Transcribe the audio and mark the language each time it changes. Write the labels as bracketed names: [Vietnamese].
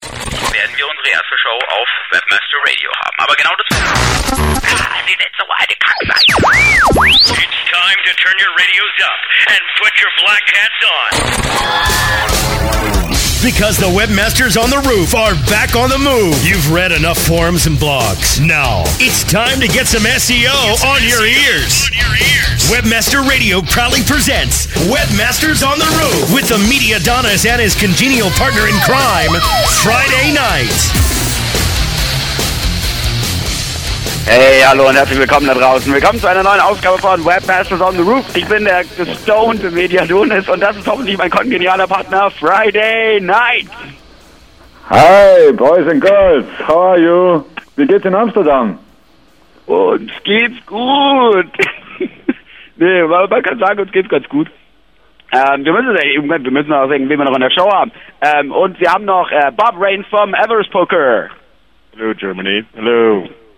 [German] werden wir unsere erste Show auf Webmaster Radio haben. Aber genau das... [English] It's time to turn your radios up and put your black hats on. Because the webmasters on the roof are back on the move. You've read enough forums and blogs. Now, it's time to get some SEO on your ears. Webmaster Radio proudly presents Webmasters on the Roof with the media Donis and his congenial partner in crime, Friday Night. [German] Hey, hallo und herzlich willkommen da draußen. Willkommen zu einer neuen Ausgabe von Webmasters on the Roof. Ich bin der gestoned Media Donis und das ist hoffentlich mein kongenialer Partner Friday Night. [English] Hi, Boys and Girls, how are you? [German] Wie geht's in Amsterdam? Uns geht's gut. Nee, man kann sagen, uns geht's ganz gut. Wir müssen auch sehen, wen wir noch in der Show haben. Und wir haben noch Bob Rain vom Everest Poker. [English] Hello, Germany. Hello.